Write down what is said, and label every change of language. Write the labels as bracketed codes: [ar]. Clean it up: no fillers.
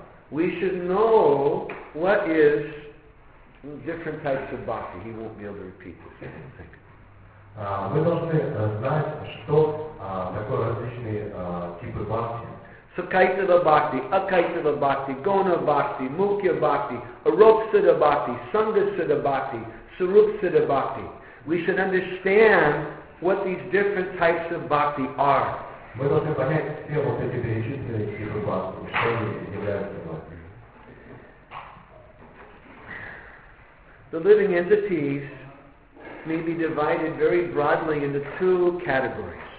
[en] We should know what is different types of bhakti. He won't be able to repeat this. [ru] Мы должны знать, что такое различные типы бхакти. [sa] Sukaitava bhakti, akaitava bhakti, gona bhakti, mukya bhakti, aroksita bhakti, sangasita bhakti, surupsita bhakti. [en] We should understand what these different types of bhakti are. [ru] Мы должны понять все вот эти перечисленные типы бхакти, что они являются бхакти. [en] The living entities may be divided very broadly into two categories.